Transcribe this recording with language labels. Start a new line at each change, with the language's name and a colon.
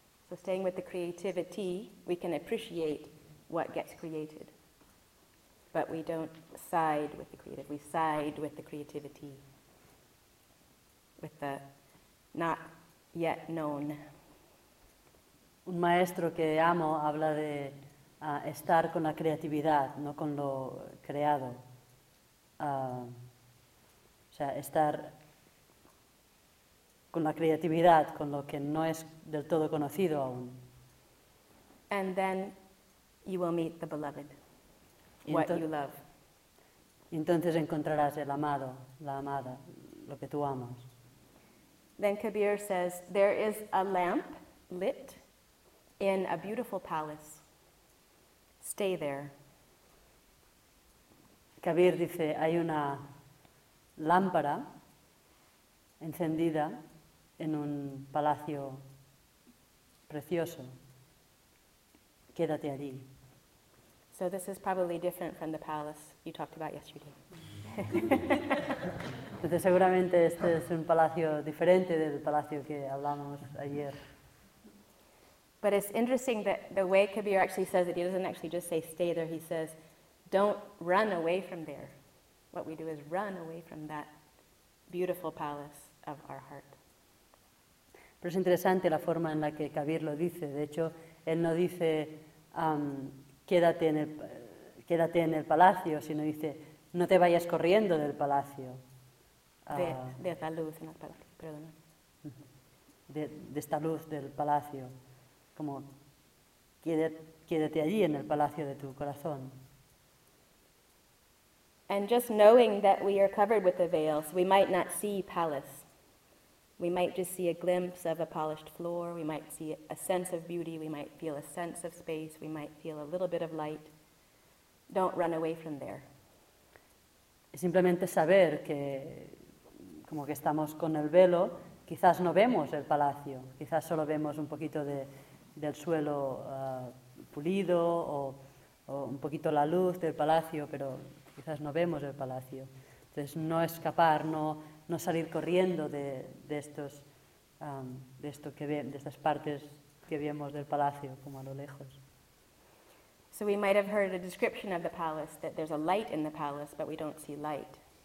English: So staying with the creativity, we can appreciate what gets created. But we don't side with the creative. We side with the creativity, with the not yet known.
Spanish: Un maestro que amo habla de estar con la creatividad, no con lo creado. Estar con la creatividad, con lo que no es del todo conocido aún.
English: And then you will meet the beloved, what you love.
Spanish: Y entonces encontrarás el amado, la amada, lo que tú amas.
English: Then Kabir says, there is a lamp lit in a beautiful palace. Stay there.
Spanish: Kabir dice, hay una lámpara encendida en un palacio precioso. Quédate allí.
English: So this is probably different from the palace you talked about yesterday.
Spanish: Entonces seguramente este es un palacio diferente del palacio que hablamos ayer.
English: But it's interesting that the way Kabir actually says it, he doesn't actually just say stay there, he says, don't run away from there. What we do is run away from that beautiful palace of our heart.
Spanish: Pero es interesante la forma en la que Kabir lo dice. De hecho, él no dice, quédate en el palacio, sino dice, no te vayas corriendo del palacio. De esta luz en el palacio, perdón. De esta luz del palacio. Como, quédate allí en el palacio de tu corazón.
English: And just knowing that we are covered with the veils, we might not see palace. We might just see a glimpse of a polished floor, we might see a sense of beauty, we might feel a sense of space, we might feel a little bit of light. Don't run away from there.
Spanish: Es simplemente saber que, como que estamos con el velo, quizás no vemos el palacio, quizás solo vemos un poquito de del suelo pulido o un poquito la luz del palacio, pero quizás no vemos el palacio. Entonces, no escapar, no salir corriendo de estas partes que vemos del palacio, como a lo lejos.
English: So we might have heard a description of the palace, that there's a light in the palace, but we don't see light.